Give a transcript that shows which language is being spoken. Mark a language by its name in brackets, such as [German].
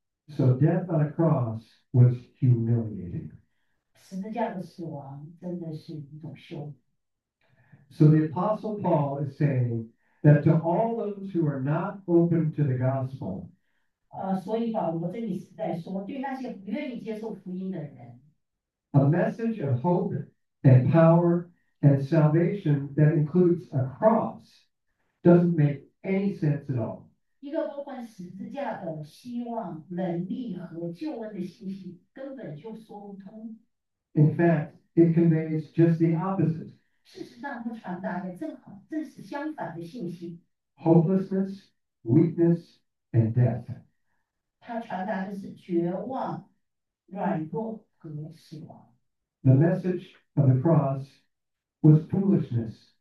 [English] So death on a cross was humiliating. [Chinese] 十字架的死亡真的是一种羞辱。 [English] So the Apostle Paul is saying that to all those who are not open to the gospel, [Chinese] 所以保罗这里是在说，对那些不愿意接受福音的人， [English] a message of hope and power and salvation that includes a cross doesn't make any sense at all. [Chinese] 一个包括十字架的希望、能力和救恩的信息根本就说不通。 [English] In fact, it conveys just the opposite. [Chinese] 事实上，它传达的正好正是相反的信息。 [English] Hopelessness, weakness, and death. [Chinese] 它传达的是绝望、软弱和死亡。 [English] The message of the cross was foolishness.